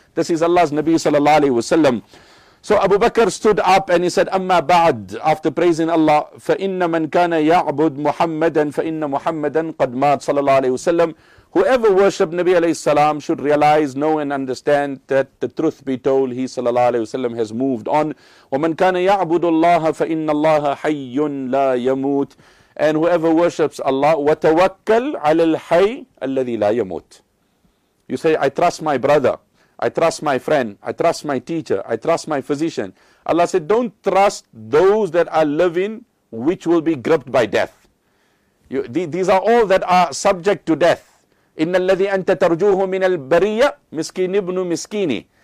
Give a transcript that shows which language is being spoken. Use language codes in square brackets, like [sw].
[en] This is Allah's Nabi sallallahu alayhi wasallam. So Abu Bakr stood up and he said, Amma ba'd, after praising Allah, [ar] فَإِنَّ مَنْ كَانَ يَعْبُدْ مُحَمَّدًا فَإِنَّ مُحَمَّدًا قَدْ مَاتْ [en] sallallahu alayhi wasallam. Whoever worshipped Nabi alayhi salam should realize, know and understand that the truth be told, he sallallahu alayhi wasallam has moved on. [ar] وَمَنْ كَانَ يَعْبُدُ اللَّهَ فَإِنَّ اللَّهَ حَيٌّ لَا يَمُوتْ. [en] And whoever worships Allah, [ar] وَتَوَكَّلْ عَلَى الْحَيِّ الَّذِي لَا يَمُوتْ. [en] You say, I trust my brother, I trust my friend, I trust my teacher, I trust my physician. Allah said, don't trust those that are living which will be gripped by death. These are all that are subject to death. [ar] إِنَّ الَّذِي أَنْتَ تَرْجُوهُ مِنَ الْبَرِيَّةِ مِسْكِينُ بْنُ مِسْكِينِ.